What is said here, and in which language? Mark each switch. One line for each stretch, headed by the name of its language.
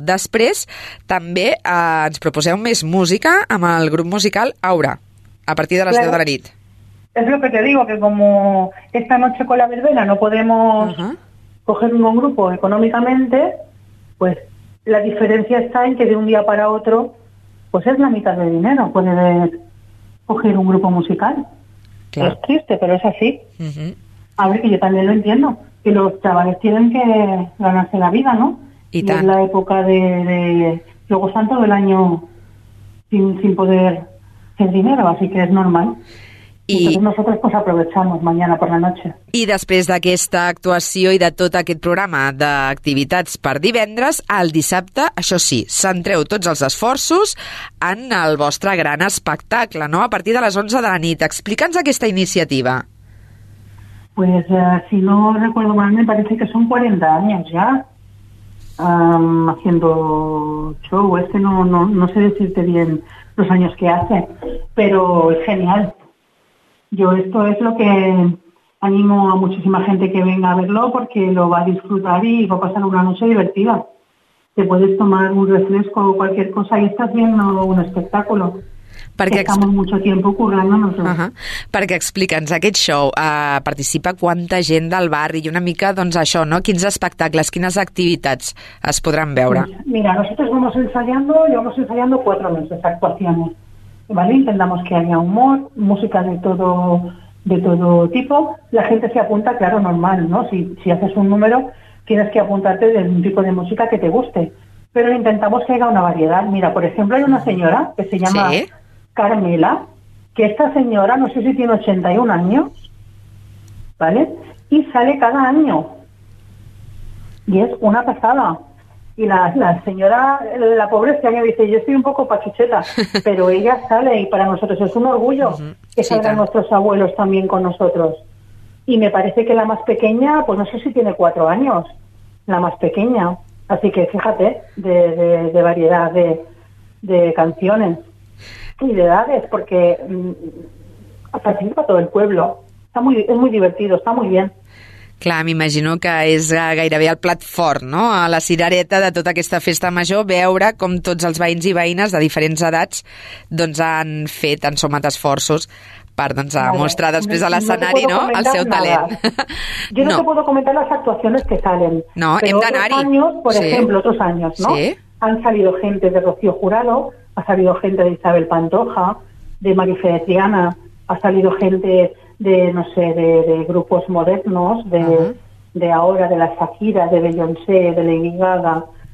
Catalan: Després també ens proposeu més música amb el grup musical Aura, a partir de les 10 de la nit.
Spanish: Es lo que te digo, que como esta noche con la verbena no podemos coger un buen grupo económicamente, pues la diferencia está en que de un día para otro, pues es la mitad de dinero, puedes coger un grupo musical. Claro. Es triste, pero es así. Uh-huh. A ver, que yo también lo entiendo. Que los chavales tienen que ganarse la vida, ¿no? Y es la época de luego están todo el año sin poder hacer dinero, así que es normal.
Catalan: I
Spanish: nosotros pues aprovechamos mañana por la noche.
Catalan: I després d'aquesta actuació i de tot aquest programa d'activitats per divendres, el dissabte, això sí, centreu tots els esforços en el vostre gran espectacle, no? A partir de les 11 de la nit. Explica'ns aquesta iniciativa.
Spanish: Pues si no recuerdo mal, me parece que son 40 años ya haciendo show. Es que no sé decirte bien los años que hace, pero es genial. Yo esto es lo que animo a muchísima gente que venga a verlo, porque lo va a disfrutar y va a pasar una noche divertida. Te puedes tomar un refresco o cualquier cosa y estás viendo un espectáculo.
Catalan: Perquè
Spanish: estamos mucho tiempo currándonos. Uh-huh.
Catalan: Perquè explica'ns aquest show, participa quanta gent del barri i una mica, doncs, això, no? Quins espectacles, quines activitats es podran veure?
Spanish: Mira, nosotros vamos ensayando, llevamos ensayando 4 meses actuaciones, ¿vale? Intentamos que haya humor, música de todo tipo. La gente se apunta, claro, normal, ¿no? Si haces un número, tienes que apuntarte de un tipo de música que te guste. Pero intentamos que haya una variedad. Mira, por ejemplo, hay una señora que se llama... ¿Sí? Carmela, que esta señora no sé si tiene 81 años, ¿vale? Y sale cada año. Y es una pasada. Y la señora, la pobre, este año dice, yo estoy un poco pachucheta, pero ella sale y para nosotros es un orgullo que salgan nuestros abuelos también con nosotros. Y me parece que la más pequeña, pues no sé si tiene 4 años, la más pequeña. Así que fíjate de variedad de canciones. Y de edades, porque participa todo el pueblo. Es muy divertido, está muy bien.
Catalan: Clar, m'imagino que és gairebé el plat fort, no? A la cirereta de tota aquesta festa major, veure com tots els veïns i veïnes de diferents edats doncs han fet, han sumat esforços per doncs, mostrar després a l'escenari, no? El seu talent.
Spanish: Yo no te puedo comentar las actuaciones que salen.
Catalan: No, hem d'anar-hi.
Spanish: Pero otros años, por ejemplo, otros años, ¿no? Sí. Han salido gente de Rocío Jurado, ha salido gente de Isabel Pantoja, de María Feliciana, ha salido gente de, no sé, de grupos modernos, de ahora, de la Shakira, de Beyoncé, de Lady Gaga.